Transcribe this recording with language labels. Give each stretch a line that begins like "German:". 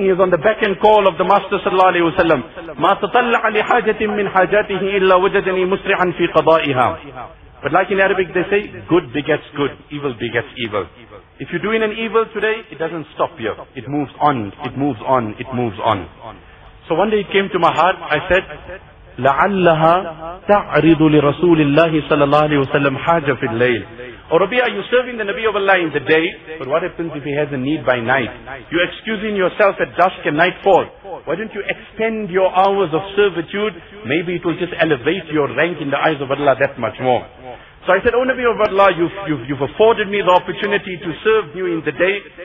English: He is on the beck and call of the Master sallallahu alaihi wasallam.
Arabic: مَا تَطَلَّعَ لِحَاجَةٍ مِّنْ حَاجَاتِهِ إِلَّا وَجَدَنِي مُسْرِعًا فِي قَضَائِهَا.
English: But like in Arabic they say, good begets good, evil begets evil. If you're doing an evil today, it doesn't stop you. It moves on, it moves on, it moves on. So one day it came to my heart, I said,
Arabic: لَعَلَّهَا تَعْرِضُ لِرَسُولِ اللَّهِ صَلَى اللَّهِ عَلَيْهِ وَسَلَّمْ حَاجَ فِي اللَّيْلِ.
English: Oh Rabia, you're serving the Nabi of Allah in the day, but what happens if he has a need by night? You're excusing yourself at dusk and nightfall. Why don't you extend your hours of servitude? Maybe it will just elevate your rank in the eyes of Allah that much more. So I said, O Nabi of Allah, you've afforded me the opportunity to serve you in the day.